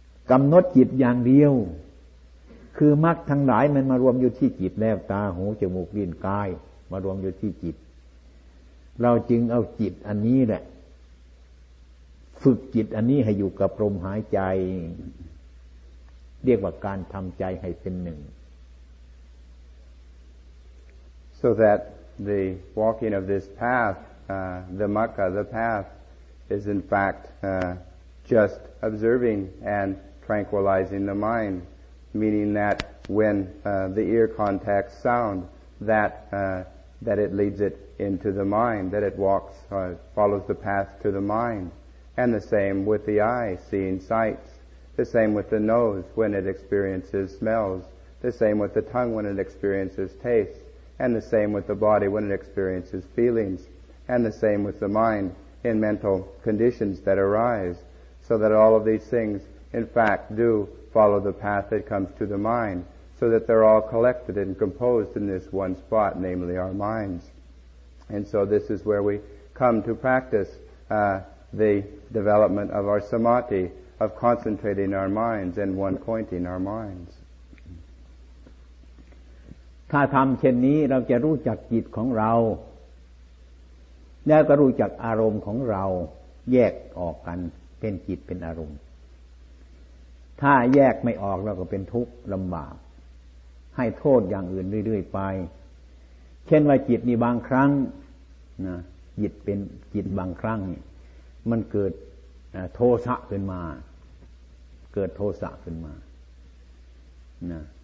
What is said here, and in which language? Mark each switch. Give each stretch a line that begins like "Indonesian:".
Thai: กำหนดจิตอย่างเดียวคือมรรคทั้งหลายมันมารวมอยู่ที่จิตแล้วตาหูจมูกลิ้นกายมารวมอยู่ที่จิตเราจึงเอาจิตอันนี้แหละฝึกจิตอันนี้ให้อยู่กับลมหายใจเรียกว่าการทำใจให้เป็นหนึ่ง
English: so that the walking of this path the mukha the path is in fact just observing and tranquilizing the mindMeaning that when the ear contacts sound, that that it leads it into the mind, that it walks, follows the path to the mind, and the same with the eye, seeing sights. The same with the nose when it experiences smells. The same with the tongue when it experiences tastes, and the same with the body when it experiences feelings, and the same with the mind in mental conditions that arise. So that all of these things, in fact, do. Follow the path that comes to the mind, so that they're all collected and composed in this one spot, namely our minds. And so this is where we come to practice the development of our samadhi, of concentrating our minds and one-pointing our minds.
Thai: ถ้าทำเช่นนี้เราจะรู้จักจิตของเราแล้วก็รู้จักอารมณ์ของเราแยกออกกันเป็นจิตเป็นอารมณ์ถ้าแยกไม่ออกเราก็เป็นทุกข์ลำบากให้โทษอย่างอื่นเรื่อยๆไปเช่นว่าจิตนี่บางครั้งนะจิตเป็นจิตบางครั้งมันเกิดโทสะขึ้นมาเกิดโทสะขึ้นมานะ